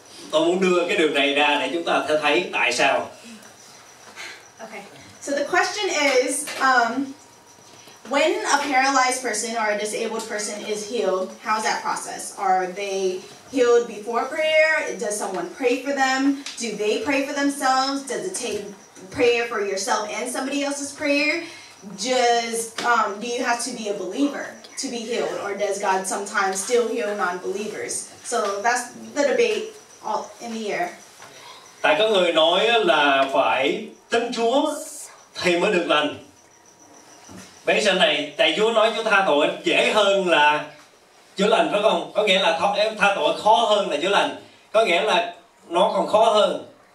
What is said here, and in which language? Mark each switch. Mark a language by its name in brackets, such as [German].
[Vietnamese] Tôi muốn đưa cái điều này ra để chúng ta sẽ thấy tại sao. [English] Okay. So the question is, when a paralyzed person or a disabled person is healed, how's that process? Are they healed before prayer? Does someone pray for them? Do they pray for themselves? Does it take prayer for yourself and somebody else's prayer? Do you have to be a believer to be healed, or does God sometimes still heal non-believers? So that's the debate all in the air. [Vietnamese] Tại có người nói là phải tin Chúa thì mới được lành. Bây giờ này, tại Chúa nói Chúa tha tội dễ hơn là chữa lành phải không? Có nghĩa là tha tội khó hơn là chữa lành. Có nghĩa là nó còn khó hơn.